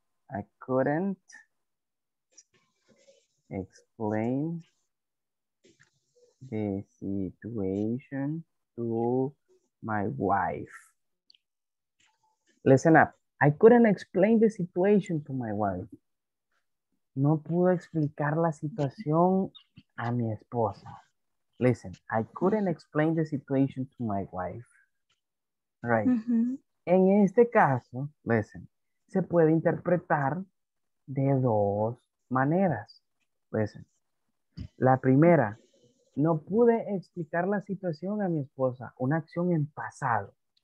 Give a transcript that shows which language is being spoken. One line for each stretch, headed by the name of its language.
English: I couldn't explain the situation to my wife. Listen up. I couldn't explain the situation to my wife.
Spanish: No pude explicar la situación a mi esposa.
English: Listen, I couldn't explain the situation to my wife. Right.
Spanish: En este caso, listen, se puede interpretar de dos maneras. Listen, la primera, no pude explicar la situación a mi esposa, una acción en pasado.